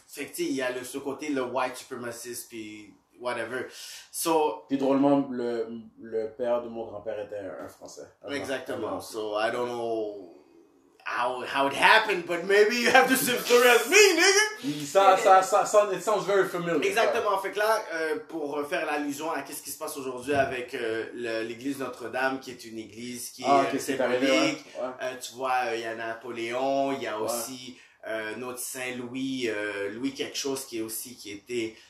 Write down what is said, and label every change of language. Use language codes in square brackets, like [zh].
[fr] Fait que, il y a le sous-côté, le white supremacist, puis... [en] Whatever. So, [fr] puis drôlement, le père de mon grand-père était un Français. Exactement. [en] So, I don't know how it happened, but maybe you have the same story as me, nigga! Ça, it sounds very familiar. [fr] Exactement. Fait que là, pour faire l'allusion à ce qui se passe aujourd'hui avec l'église Notre-Dame, qui est une église qui est symbolique. Tu vois, il y a Napoléon, il y a aussi notre Saint-Louis, Louis quelque chose qui était...